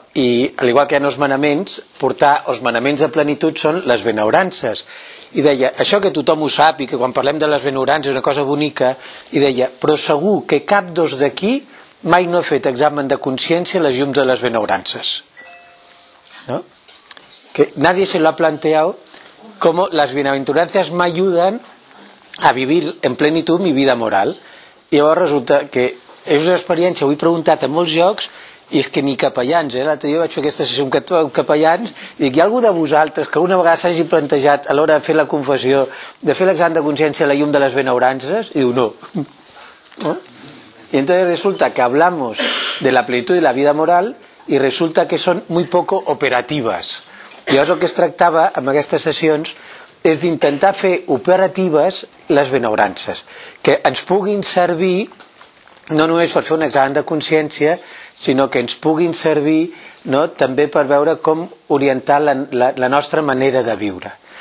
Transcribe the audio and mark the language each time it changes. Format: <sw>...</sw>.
<ca>I al igual que hi ha els manaments, portar els manaments de plenitud són les benaurances. I deia, això que tothom ho sap i que quan parlem de les benaurances és una cosa bonica, i deia, però segur que cap dos d'aquí mai no ha fet examen de consciència a les llums de les benaurances. No?</ca> <es>Que nadie se lo ha planteado como las bienaventurancias me ayudan a vivir en plenitud mi vida moral.</es> <ca>I llavors resulta que és una experiència, ho he preguntat a molts llocs, i és que ni capellans, eh? L'altre dia vaig fer aquesta sessió amb capellans, i dic, hi ha algú de vosaltres que una vegada s'hagi plantejat a l'hora de fer la confessió, de fer l'examen de consciència a la llum de les benaurances? I diu, no.</ca> <es>I entonces resulta que hablamos de la plenitud de la vida moral i resulta que</es> <ca>són</ca> <es>muy poco operatives.</es> <ca>Llavors el que es tractava amb aquestes sessions és d'intentar fer operatives les benaurances, que ens puguin servir no només per fer un examen de consciència, sinó que ens puguin servir, no?, també per veure com orientar la nostra manera de viure.</ca>